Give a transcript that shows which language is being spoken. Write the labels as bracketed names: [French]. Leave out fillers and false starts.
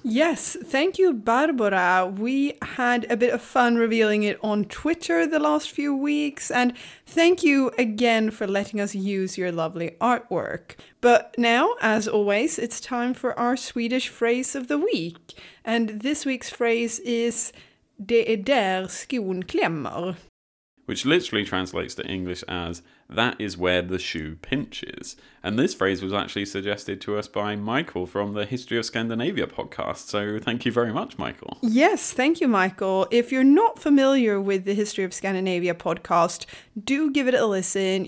[English] Yes, thank you, Barbara. We had a bit of fun revealing it on Twitter the last few weeks, and thank you again for letting us use your lovely artwork. But now, as always, it's time for our Swedish phrase of the week. And this week's phrase is [Swedish] "Det är där skon klämmer," [English] which literally translates to English as "that is where the shoe pinches." And this phrase was actually suggested to us by Michael from the History of Scandinavia podcast. So thank you very much, Michael. Yes, thank you, Michael. If you're not familiar with the History of Scandinavia podcast, do give it a listen.